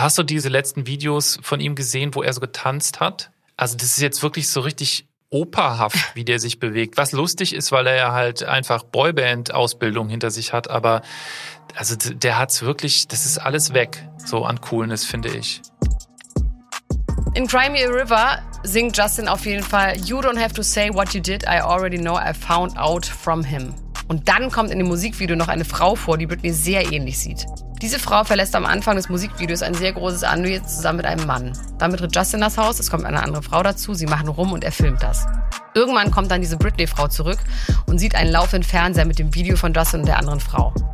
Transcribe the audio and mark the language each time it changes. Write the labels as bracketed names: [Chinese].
[German] Hast du diese letzten Videos von ihm gesehen, wo er so getanzt hat? Also das ist jetzt wirklich so richtig operhaft, wie der sich bewegt. Was lustig ist, weil er ja halt einfach Boyband-Ausbildung hinter sich hat, aber also der hat's wirklich, das ist alles weg, so an Coolness, finde ich. In Cry Me a River singt Justin auf jeden Fall [English] You don't have to say what you did, I already know, I found out from him. [German] Und dann kommt in dem Musikvideo noch eine Frau vor, die Britney sehr ähnlich sieht. Diese Frau verlässt am Anfang des Musikvideos ein sehr großes Anwesen zusammen mit einem Mann. Dann betritt Justin das Haus, es kommt eine andere Frau dazu, sie machen rum und er filmt das. Irgendwann kommt dann diese Britney-Frau zurück und sieht einen laufenden Fernseher mit dem Video von Justin und der anderen Frau.